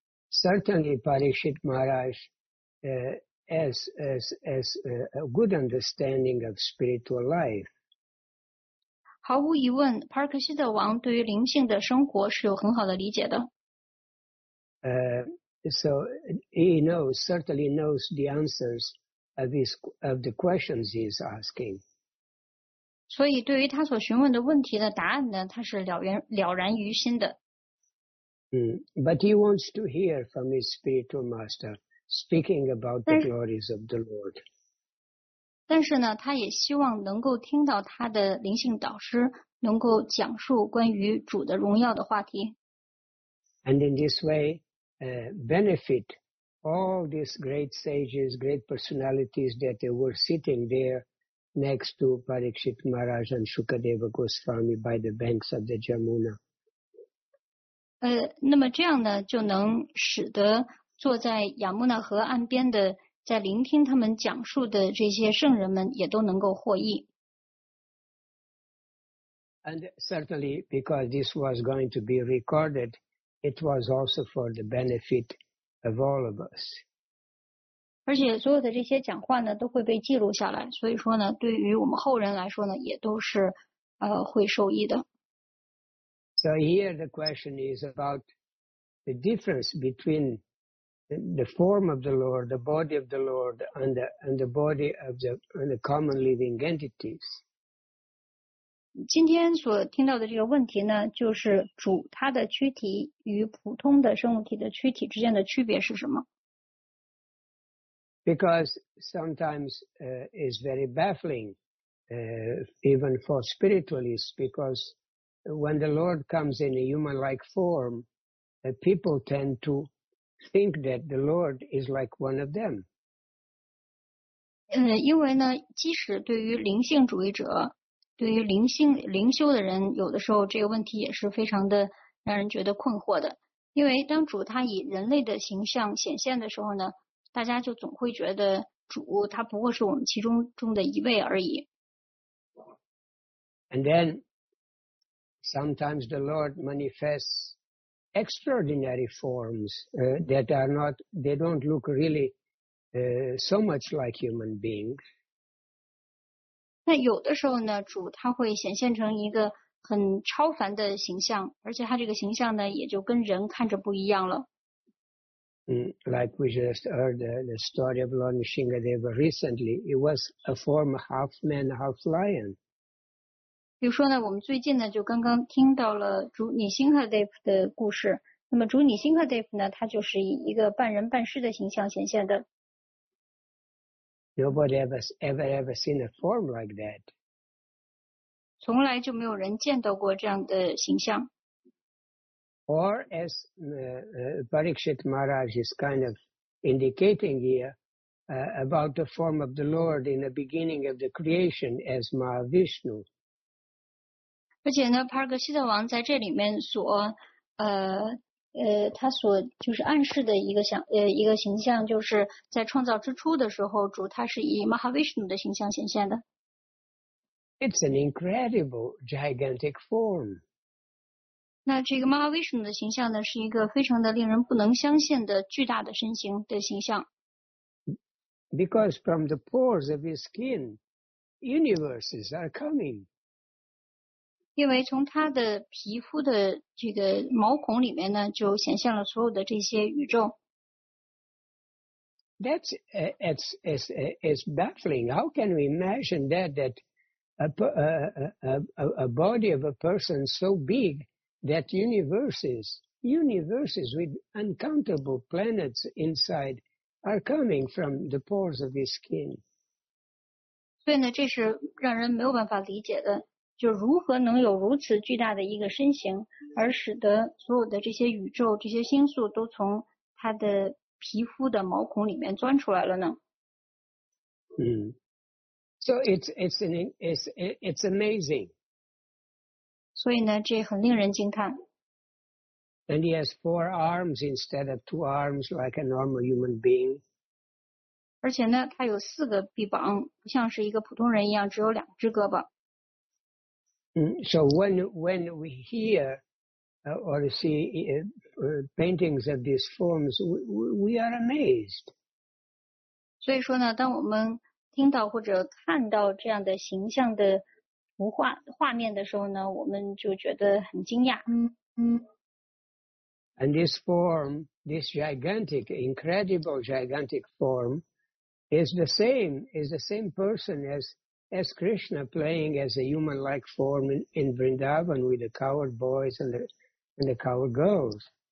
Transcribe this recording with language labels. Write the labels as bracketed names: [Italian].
[English] Certainly, Parikshit Maharaj, has a good understanding of spiritual life. [Chinese] 毫无疑问，帕克希特王对于灵性的生活是有很好的理解的。 [English] So he knows, certainly knows the answers of the questions he's asking. [Chinese] 所以对于他所询问的问题的答案呢，他是了然于心的。 [English] But he wants to hear from his spiritual master speaking about the glories of the Lord. [Chinese] 但是呢，他也希望能够听到他的灵性导师能够讲述关于主的荣耀的话题。 [English] And in this way,benefit all these great sages, great personalities that they were sitting there next to Parikshit Maharaj and Sukadeva Goswami by the banks of the Jamuna. [Chinese] 那么这样呢，就能使得坐在亚穆纳河岸边的，在聆听他们讲述的这些圣人们也都能够获益。 [English] And certainly, because this was going to be recorded,It was also for the benefit of all of us. [Chinese] 而且所有的这些讲话呢都会被记录下来，所以说呢对于我们后人来说呢也都是会受益的。 [English] So here the question is about the difference between the form of the Lord, the body of the Lord, and the body of the common living entities. [Chinese] 今天所听到的这个问题呢，就是主他的躯体与普通的生物体的躯体之间的区别是什么？ [English] Because sometimes is very baffling, even for spiritualists, because when the Lord comes in a human-like form, people tend to think that the Lord is like one of them. [Chinese] 因为呢，即使对于灵性主义者，对于灵性灵修的人，有的时候这个问题也是非常的让人觉得困惑的。因为当主他以人类的形象显现的时候呢，大家就总会觉得主他不过是我们其中中的一位而已。 [English] And then, sometimes the Lord manifests extraordinary forms, that are not, they don't look really, so much like human beings. [Chinese] 那有的时候呢，主他会显现成一个很超凡的形象，而且他这个形象呢，也就跟人看着不一样了。 [English] Like we just heard the story of Lord Nrisimhadeva recently, it was a form half man, half lion. [Chinese] 比如说呢，我们最近呢就刚刚听到了主尼辛赫德夫的故事。那么主尼辛赫德夫呢，他就是以一个半人半狮的形象显现的。 [English] Nobody ever seen a form like that. [Chinese] 从来就没有人见到过这样的形象。 [English] Or as Parikshit Maharaj is kind of indicating here, about the form of the Lord in the beginning of the creation as Mahavishnu. [Chinese] 而且呢，帕尔格西特王在这里面所，他所就是暗示的一个形象，就是在创造之初的时候，主他是以 Mahavishnu 的形象显现的。 [English] It's an incredible gigantic form. [Chinese] 那这个 Mahavishnu 的形象呢，是一个非常的令人不能相信的巨大的身形的形象。 [English] Because from the pores of his skin, universes are coming. [Chinese] 因为从他的皮肤的这个毛孔里面呢，就显现了所有的这些宇宙。 [English] That's it's baffling. How can we imagine that a body of a person so big that universes with uncountable planets inside are coming from the pores of his skin? [Chinese] 所以呢，这是让人没有办法理解的。就如何能有如此巨大的一个身形，而使得所有的这些宇宙、这些星宿都从他的皮肤的毛孔里面钻出来了呢？ [English] So it's amazing. [Chinese] 所以呢，这很令人惊叹。 [English] And he has four arms instead of two arms like a normal human being. [Chinese] 而且呢，他有四个臂膀，不像是一个普通人一样只有两只胳膊。 [English] So when we hear or see paintings of these forms, we are amazed. [Chinese] 所以说呢，当我们听到或者看到这样的形象的图画画面的时候呢，我们就觉得很惊讶。 [English] And this form, this gigantic, incredible gigantic form, is the same person as Krishna playing as a human-like form in Vrindavan with the coward boys and the coward girls.